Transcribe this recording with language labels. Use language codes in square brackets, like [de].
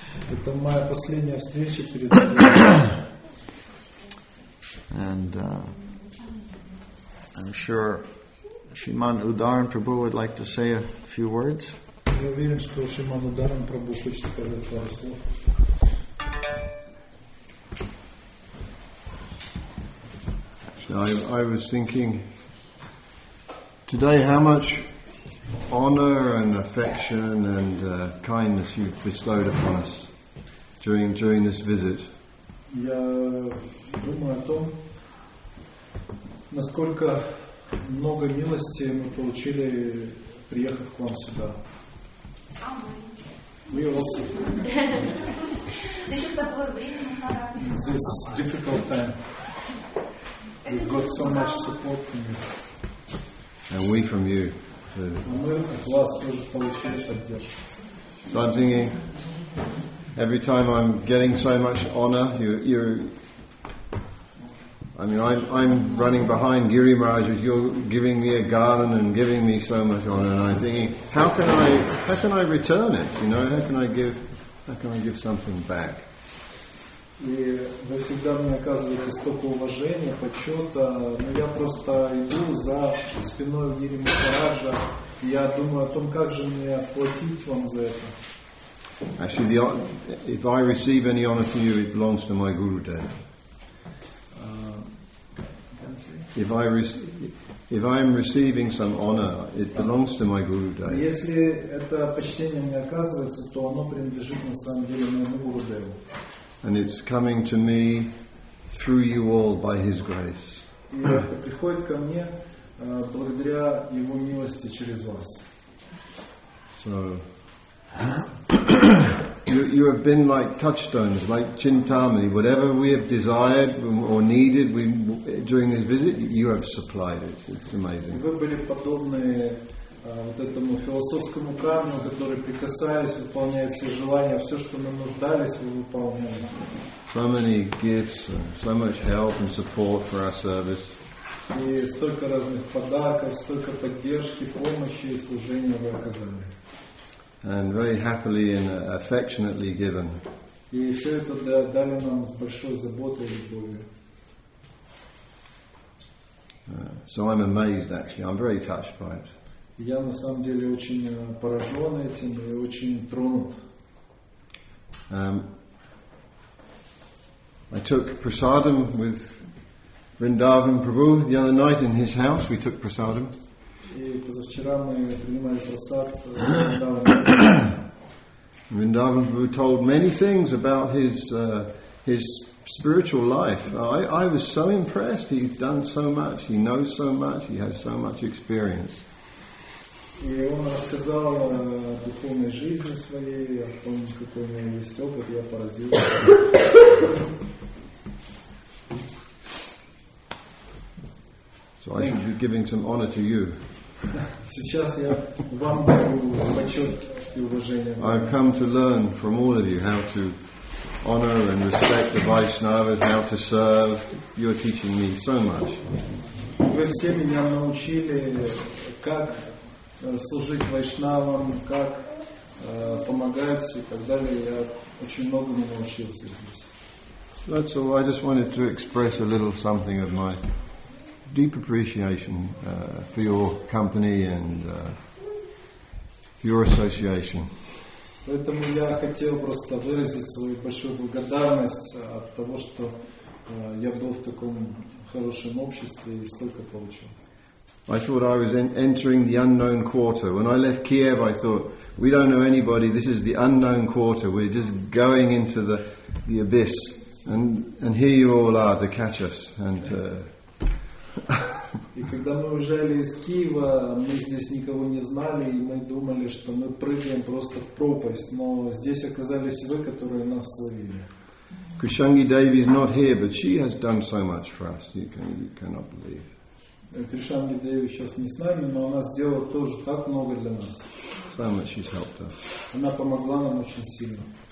[ru] Это моя последняя встреча перед. [en] And I'm sure Shriman Udaran Prabhu would like to say a few words. [ru] Я уверен, что Шриман Ударан Прабху хочет сказать пару слов. [en] So I was thinking today how much honor and affection and kindness you've bestowed upon us during this visit. [ru] Я думаю о том, насколько много милости мы получили, приехав к вам сюда. [en] We also. This difficult time. We've got so much support from you. And we from you. So I'm thinking, every time I'm getting so much honor, I'm running behind Giri Maharaj, as you're giving me a garden and giving me so much honor, and I'm thinking, how can I return it? You know, how can I give something back? [ru] И вы всегда мне оказываете столько уважения, почета, но я просто иду за спиной Гири Махараджа. Я думаю о том, как же мне отплатить вам за это. [en] Actually, if I receive any honor from you, it belongs to my Guru Dev. If I'm receiving some honor, it belongs to my Guru Dev. [ru] Если это почтение мне оказывается, то оно принадлежит на самом деле моему Гуру Деву. [en] And it's coming to me through you all by His grace. [ru] Это приходит ко мне благодаря Его милости через вас. [en] So you have been like touchstones, like Chintamani. Whatever we have desired or needed during this visit, you have supplied it. It's amazing. [ru] Вы были подобны вот этому философскому камню, который прикасаясь, выполняет все желания, все, что мы нуждались, вы выполняли. [en] So many gifts, so much help and support for our service. [ru] И столько разных подарков, столько поддержки, помощи и служения вы оказали. [en] And very happily and affectionately given. [ru] И все это дали нам с большой заботой и любовью. [en] So I'm amazed, actually. I'm very touched by it. [ru] Я на самом деле очень поражен этим и очень тронут. [en] I took prasadam with Vrindavan Prabhu the other night in his house. We took prasadam. [ru] И позавчера мы принимали прасад с [en] Vrindavan. Vrindavan Prabhu told many things about his spiritual life. I was so impressed. He's done so much. He knows so much. He has so much experience. [ru] И он рассказал о духовной жизни своей, о том, какой у него есть опыт, я поразился. [en] So I should be giving some honor to you. [ru] Сейчас я вам даю почет и уважение. [en] I've come to learn from all of you how to honor and respect the Vaishnavas, how to serve. You're teaching me so much. [ru] Вы все меня научили, как служить вайшнавам, как помогать и так далее. Я очень многому научился здесь. [en] That's all. I just wanted to express a little something of my deep appreciation for your company and for your association. [ru] Поэтому я хотел просто выразить свою большую благодарность от того, что я был в таком хорошем обществе и столько получил. [en] I thought I was entering the unknown quarter. When I left Kiev, I thought, we don't know anybody, this is the unknown quarter, we're just going into the abyss. And here you all are to catch us. [ru] И когда мы уезжали из Киева, мы здесь никого не знали, и мы думали, что мы прыгаем просто в пропасть, но здесь оказались вы, которые нас словили. [en] Kushangi Devi is not here, but she has done so much for us, you cannot believe. [ru] Кришанги Деви сейчас не с нами, но она сделала тоже так много для нас. [en] So much she's helped us. [ru] Она помогла нам очень сильно.